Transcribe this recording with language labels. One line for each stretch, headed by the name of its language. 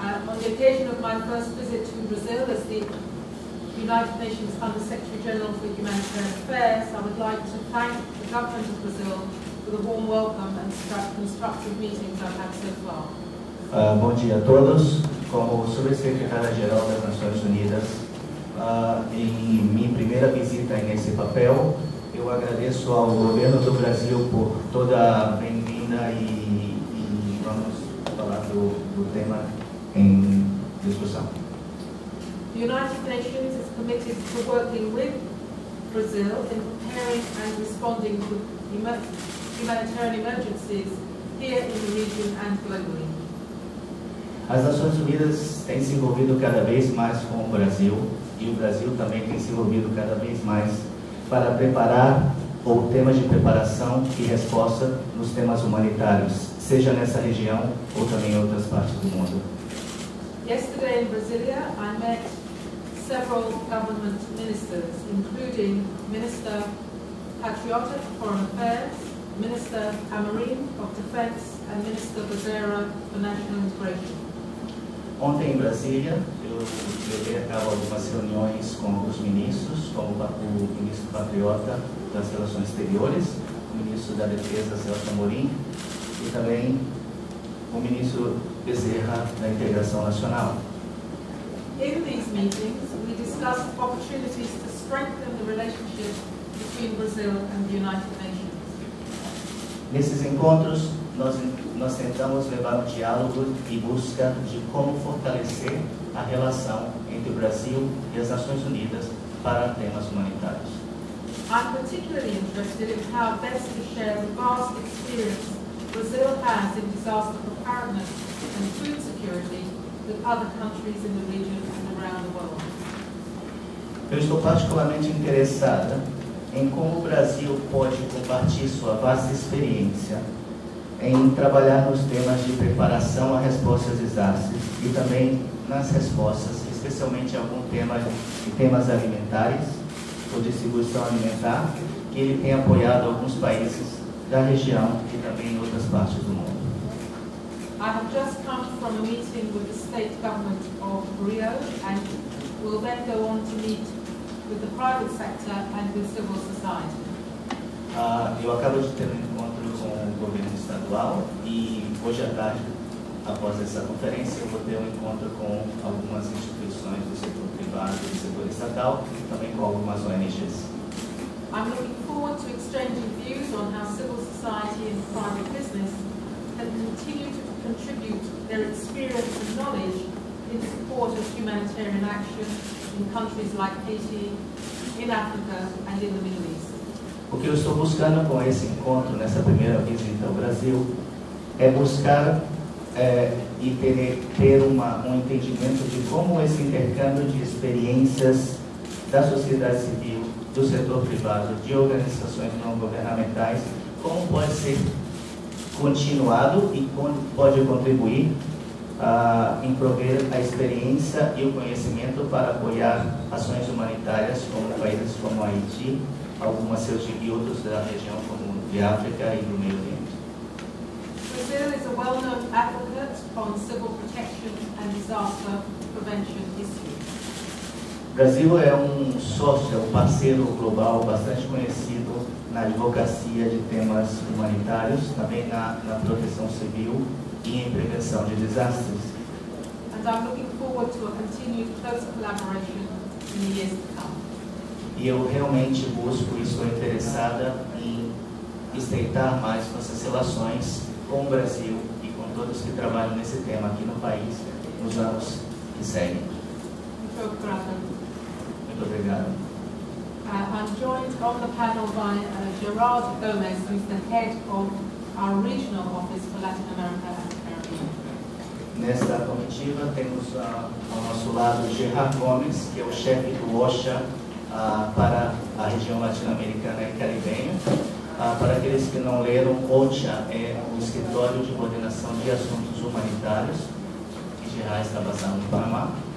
English: On the occasion of my first visit to Brazil as the United Nations Under Secretary General for Humanitarian Affairs, I would like to thank the government of Brazil for the warm welcome and constructive meetings I've had so far.
Portuguese: Bom dia a todos. Como Subsecretária-Geral das Nações Unidas, em minha primeira visita nesse papel, eu agradeço ao governo do Brasil por toda a bem-vinda e vamos falar do tema em discussão.
English: The United Nations is committed to working with Brazil in preparing and responding to humanitarian emergencies here in the region and globally.
Portuguese: As Nações Unidas têm se envolvido cada vez mais com o Brasil e o Brasil também tem se envolvido cada vez mais para preparar ou temas de preparação e resposta nos temas humanitários, seja nessa região ou também em outras partes do mundo.
English: Yesterday in Brasilia, I met several government ministers, including Minister Patriota for Foreign Affairs, Minister Amarim of Defense, and Minister Bezerra for National Integration.
Portuguese: Ontem em Brasília, eu levei a cabo algumas reuniões com os ministros, como o ministro Patriota das Relações Exteriores, o ministro da Defesa, Celso Amorim, e também o ministro Bezerra da Integração Nacional.
English: In these meetings, we discussed opportunities to strengthen the relationship between Brazil and the United Nations.
Portuguese: Nesses encontros, nós tentamos levar um diálogo e busca de como fortalecer a relação entre o Brasil e as Nações Unidas para temas humanitários.
English: I'm particularly interested in how best to share the vast experience Brazil has in disaster preparedness and food security with other countries in the region and around the world.
Portuguese: Eu estou particularmente interessada em como o Brasil pode compartilhar sua vasta experiência em trabalhar nos temas de preparação à resposta aos desastres e também nas respostas, especialmente em algum tema de temas alimentares ou distribuição alimentar, que ele tem apoiado alguns países da região e também em outras partes do mundo.
English: I have just come from a meeting with the state government of Rio and will then go on to meet with the private sector and with civil society.
Portuguese: Eu acabo de ter um encontro com o governo estadual e hoje à tarde, após essa conferência, eu vou ter um encontro com algumas instituições do setor privado e do setor estatal e também com algumas ONGs.
English: I'm looking forward to exchanging views on how civil society and private business can continue to contribute their experience and knowledge in support of humanitarian action in countries like Haiti, in Africa and in the Middle East.
Portuguese: O que eu estou buscando com esse encontro, nessa primeira visita ao Brasil, é buscar ter um entendimento de como esse intercâmbio de experiências da sociedade civil, do setor privado, de organizações não governamentais, como pode ser continuado e pode contribuir em prover a experiência e o conhecimento para apoiar ações humanitárias como países como Haiti, algumas seus e outros da região como de África e do Meio Oriente.
English: Brazil is a well-known advocate on civil protection and disaster prevention issues.
Portuguese: Brasil é um sócio, um parceiro global bastante conhecido na advocacia de temas humanitários, também na proteção civil e em prevenção de desastres.
English: And I'm looking forward to a continued close collaboration in the years to come.
Portuguese: E eu realmente busco e estou interessada em estreitar mais nossas relações com o Brasil e com todos que trabalham nesse tema aqui no país nos anos que seguem. Muito obrigado.
English: I'm joined on the panel by Gerard Gomes, who's the head of our regional office for Latin America.
Portuguese: Nesta comitiva temos ao nosso lado Gerard Gomes, que é o chefe do OCHA para a região latino-americana e caribenha. Para aqueles que não leram, OCHA é o Escritório de Coordenação de Assuntos Humanitários, que já está baseado no Panamá.